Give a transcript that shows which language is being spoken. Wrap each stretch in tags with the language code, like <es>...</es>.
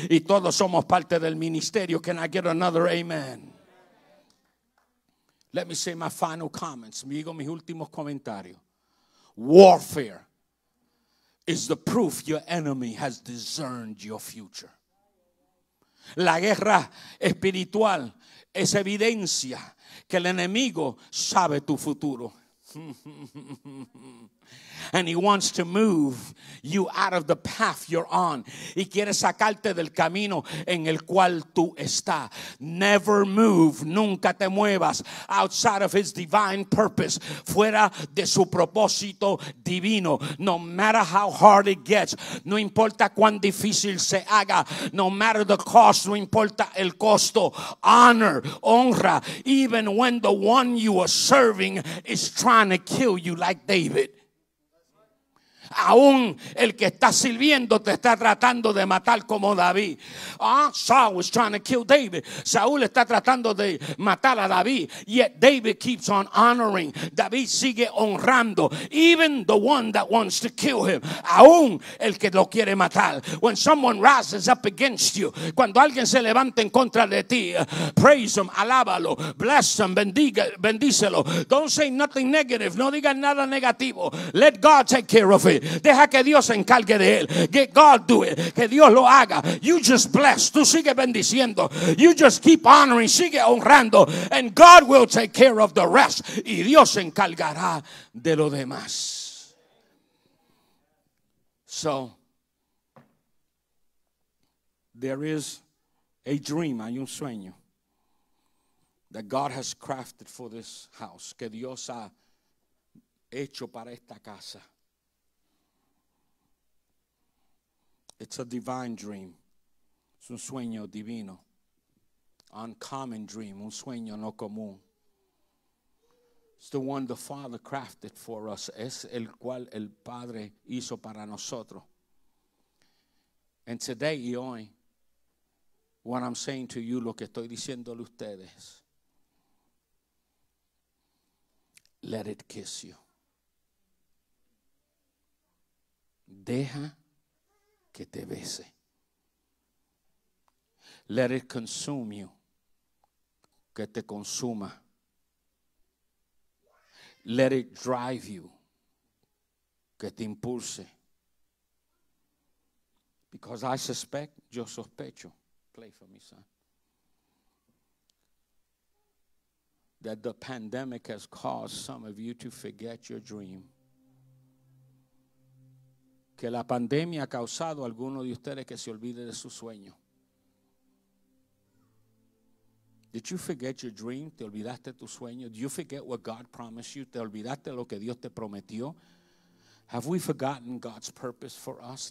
<es>Y todos somos parte del ministerio.</es> <en>Can I get another amen? Let me say my final comments.</en> <es>Digo mis últimos comentarios.</es> <en>Warfare is the proof your enemy has discerned your future.</en> <es>La guerra espiritual es evidencia que el enemigo sabe tu futuro.</es> <en>And he wants to move you out of the path you're on.</en> <es>Y quiere sacarte del camino en el cual tú estás.</es> <en>Never move,</en> <es>nunca te muevas</es> <en>outside of his divine purpose,</en> <es>fuera de su propósito divino.</es> <en>No matter how hard it gets,</en> <es>no importa cuán difícil se haga,</es> <en>no matter the cost,</en> <es>no importa el costo,</es> <en>honor, honra, even when the one you are serving is trying to kill you like David.</en> <es>Aún el que está sirviendo te está tratando de matar como David.</es> <en>Saul was trying to kill David.</en> <es>Saúl está tratando de matar a David.</es> <en>Yet David keeps on honoring.</en> <es>David sigue honrando.</es> <en>Even the one that wants to kill him.</en> <es>Aún el que lo quiere matar.</es> <en>When someone rises up against you.</en> <es>Cuando alguien se levanta en contra de ti.</es> <en>Praise him.</en> <es>Alábalo.</es> <en>Bless him.</en> <es>Bendícelo.</es> <en>Don't say nothing negative.</en> <es>No digas nada negativo.</es> <en>Let God take care of it.</en> <es>Deja que Dios se encargue de él.</es> <en>Get God do it.</en> <es>Que Dios lo haga.</es> <en>You just bless.</en> <es>Tú sigue bendiciendo.</es> <en>You just keep honoring.</en> <es>Sigue honrando.</es> <en>And God will take care of the rest.</en> <es>Y Dios se encargará de lo demás.</es> <en>So, there is a dream.</en> <es>Hay un sueño.</es> <en>That God has crafted for this house.</en> <es>Que Dios ha hecho para esta casa.</es> <en>It's a divine dream.</en> <es>Es un sueño divino.</es> <en>Uncommon dream.</en> <es>Un sueño no común.</es> <en>It's the one the Father crafted for us.</en> <es>Es el cual el Padre hizo para nosotros.</es> <en>And today</en> <es>y hoy,</es> <en>what I'm saying to you,</en> <es>lo que estoy diciéndole a ustedes,</es> <en>let it kiss you.</en> <es>Deja que te bese.</es> <en>Let it consume you.</en> <es>Que te consuma.</es> <en>Let it drive you.</en> <es>Que te impulse.</es> <en>Because I suspect,</en> <es>yo sospecho,</es> <en>play for me, son, that the pandemic has caused some of you to forget your dream.</en> <es>Que la pandemia ha causado a alguno de ustedes que se olvide de su sueño.</es> <en>Did you forget your dream?</en> <es>¿Te olvidaste tu sueño?</es> <en>Did you forget what God promised you?</en> <es>¿Te olvidaste lo que Dios te prometió?</es> <en>Have we forgotten God's purpose for us?</en>